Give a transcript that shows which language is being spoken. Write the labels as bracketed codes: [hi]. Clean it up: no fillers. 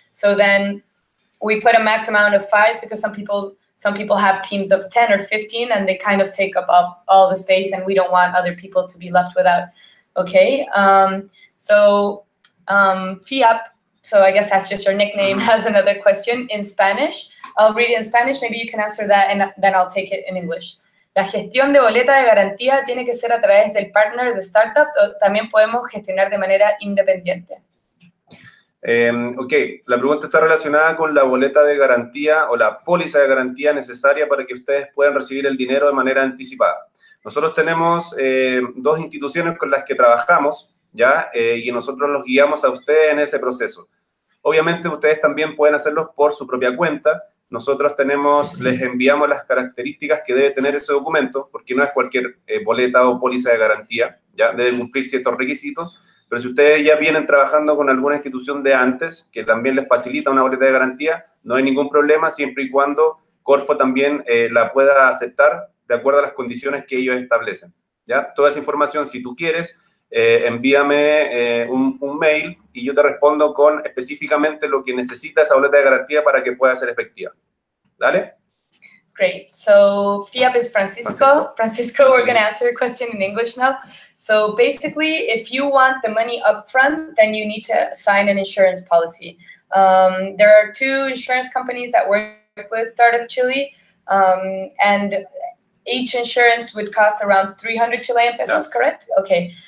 [en] So then we put a max amount of 5, because some people have teams of 10 or 15 and they kind of take up all the space, and we don't want other people to be left without. Okay. Fiap, so I guess that's just your nickname, has another question in Spanish. I'll read it in Spanish. Maybe you can answer that, and then I'll take it in English. [es] La gestión de boleta de garantía tiene que ser a través del partner de startup, o también podemos gestionar de manera independiente. Okay, la pregunta está relacionada con la boleta de garantía o la póliza de garantía necesaria para que ustedes puedan recibir el dinero de manera anticipada. Nosotros tenemos dos instituciones con las que trabajamos, ¿ya? Y nosotros los guiamos a ustedes en ese proceso. Obviamente ustedes también pueden hacerlo por su propia cuenta. Nosotros tenemos, les enviamos las características que debe tener ese documento, porque no es cualquier boleta o póliza de garantía, ¿ya? Debe cumplir ciertos requisitos. Pero si ustedes ya vienen trabajando con alguna institución de antes, que también les facilita una boleta de garantía, no hay ningún problema, siempre y cuando Corfo también la pueda aceptar de acuerdo a las condiciones que ellos establecen, ¿ya? Toda esa información, si tú quieres, envíame un mail y yo te respondo con específicamente lo que necesita esa boleta de garantía para que pueda ser efectiva. ¿Dale? [en] Great. So, FIAP is Francisco. Francisco, we're going to answer your question in English now. So, basically, if you want the money upfront, then you need to sign an insurance policy. There are two insurance companies that work with Startup Chile, and each insurance would cost around 300 Chilean pesos, yeah. Correct? Okay.